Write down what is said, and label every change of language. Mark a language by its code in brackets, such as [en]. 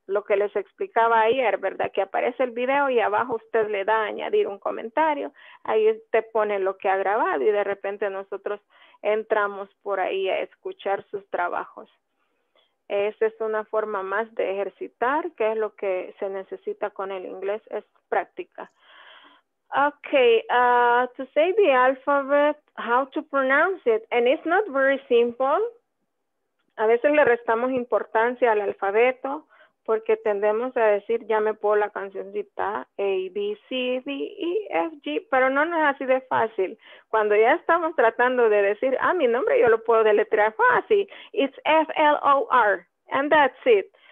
[es] Lo que les explicaba ayer, ¿verdad? Que aparece el video y abajo usted le da a añadir un comentario. Ahí usted pone lo que ha grabado y de repente nosotros entramos por ahí a escuchar sus trabajos. Esa es una forma más de ejercitar, que es lo que se necesita con el inglés, es práctica. [en] Okay, to say the alphabet, how to pronounce it, and it's not very simple. [es] A veces le restamos importancia al alfabeto porque tendemos a decir, ya me puedo la cancioncita, A, B, C, D, E, F, G, pero no es así de fácil. Cuando ya estamos tratando de decir, ah, mi nombre yo lo puedo deletrear fácil, [en] it's F, L, O, R, and that's it.